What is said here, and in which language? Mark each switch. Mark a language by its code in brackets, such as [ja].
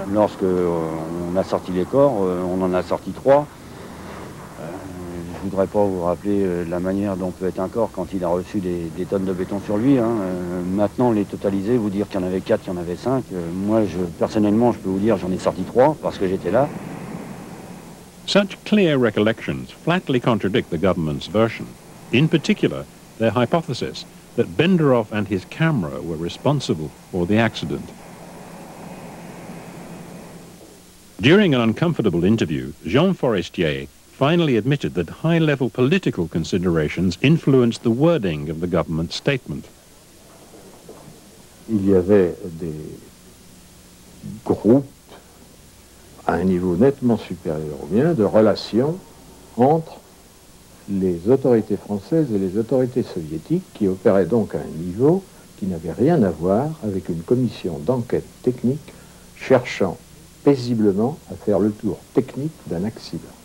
[fr] Lorsque on a sorti les corps, on en a sorti trois. Je ne voudrais pas vous rappeler la manière dont peut être un corps quand il a reçu des tonnes de béton sur lui. Hein. Maintenant, les totaliser, vous dire qu'il y en avait quatre, qu'il y en avait cinq, personnellement, je peux vous dire j'en ai sorti trois parce que j'étais là. [en] Such clear recollections flatly contradict the government's version. In particular, their hypothesis that Benderov and his camera were responsible for the accident. During an uncomfortable interview, Jean Forestier finally admitted that high-level political considerations influenced the wording of the government statement. [fr] Il y avait des groupes à un niveau nettement supérieur au mien de relations entre les autorités françaises et les autorités soviétiques qui opéraient donc à un niveau qui n'avait rien à voir avec une commission d'enquête technique cherchant paisiblement à faire le tour technique d'un accident.